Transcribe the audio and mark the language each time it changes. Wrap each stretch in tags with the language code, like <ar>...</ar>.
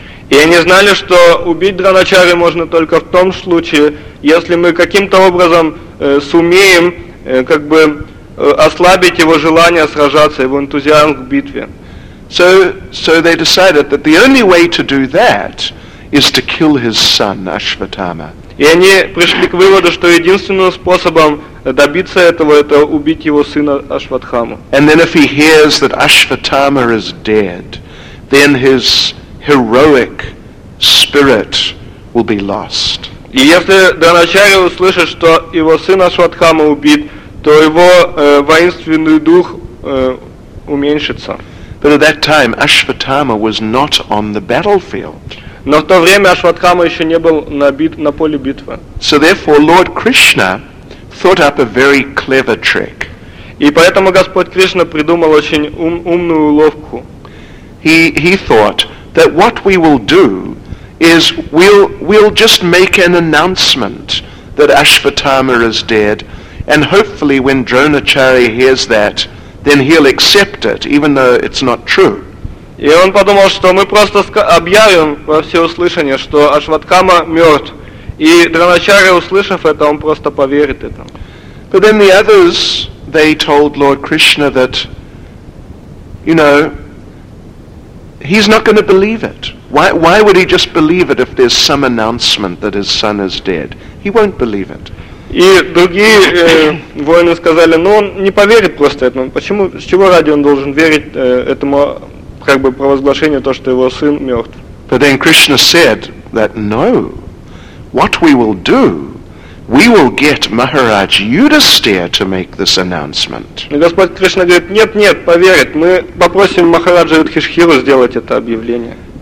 <ru>И они знали, что убить Дроначарью можно только в том случае, если мы каким-то образом сумеем ослабить его желание сражаться, его энтузиазм к битве.</ru> <en>So they decided that the only way to do that is to kill his son Ashvatthama.</en> <ru>И они пришли к выводу, что единственным способом добиться этого, это убить его сына Ашватхаму.</ru> <en>And then if he hears that Ashvatthama is dead, then his heroic spirit will be lost.</en> <ru>И если Дроначарья услышит, что его сын Ашватхама убит, то его воинственный дух уменьшится.</ru> <en>But at that time Ashvatthama was not on the battlefield.</en> <ru>Но в то время Ашватхама еще не был на поле битвы.</ru> <en>So therefore Lord Krishna thought up a very clever trick.</en> <ru>И поэтому Господь Кришна придумал очень умную уловку.</ru> <en>He thought that what we will do is we'll just make an announcement that Ashvatthama is dead, and hopefully when Dronacharya hears that, then he'll accept it, even though it's not true.</en> <ru>И он подумал, что мы просто объявим во всеуслышание, что Ашватхама мертв, и Дроначарья, услышав это, он просто поверит это.</ru> <en>But then the others, they told Lord Krishna that, you know, he's not going to believe it. Why would he just believe it if there's some announcement that his son is dead? He won't believe it.</en> <ru>И другие воины сказали, ну он не поверит просто этому. Почему, с чего ради он должен верить этому провозглашению, то, что его сын мертв?</ru> <en>But then Krishna said that no, what we will do, we will get Maharaj Yudhisthira to make this announcement.</en> <ru>И Господь Кришна говорит, нет, нет, поверят, мы попросим Махараджа Юдхишхиру сделать это объявление.</ru>